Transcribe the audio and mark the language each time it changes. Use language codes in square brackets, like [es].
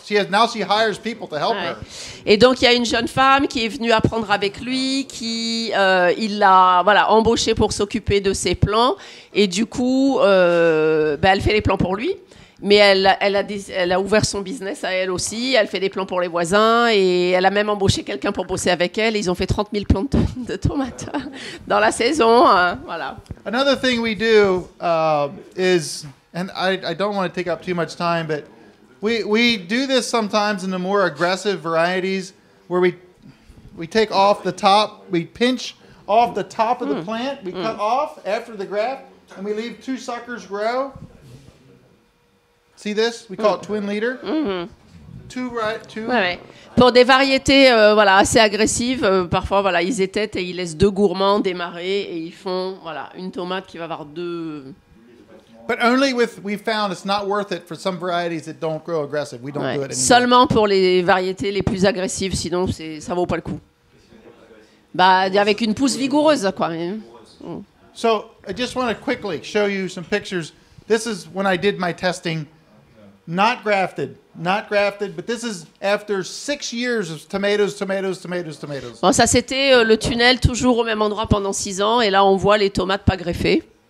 [en] Now she hires people to help her. [fr] Et donc il y a une jeune femme qui est venue apprendre avec lui, qui il l'a voilà embauchée pour s'occuper de ses plants. Et du coup, elle fait les plants pour lui. Mais elle a ouvert son business à elle aussi. Elle fait des plants pour les voisins et elle a même embauché quelqu'un pour bosser avec elle. Ils ont fait 30 000 plants de tomates dans la saison. Hein, voilà. [en] Another thing we do is, and I don't want to take up too much time, but we do this sometimes in the more aggressive varieties where we take off the top, we pinch off the top of the plant, we cut off after the graft, and we leave 2 suckers grow. See this? We call it twin leader. Two. [fr] Ouais. Pour des variétés voilà, assez agressives, parfois voilà, ils étêtent et ils laissent 2 gourmands démarrer et ils font voilà, une tomate qui va avoir 2. [en] But only with we found it's not worth it for some varieties that don't grow aggressive. We don't do it anymore. [fr] Seulement pour les variétés les plus agressives, sinon c'est ça vaut pas le coup. Avec une pousse vigoureuse quoi. [en] So, I just want to quickly show you some pictures. This is when I did my testing. Not grafted, but this is after 6 years of tomatoes. [fr] Bon, ça c'était le tunnel toujours au même endroit pendant 6 ans, et là on voit les tomates pas greffées.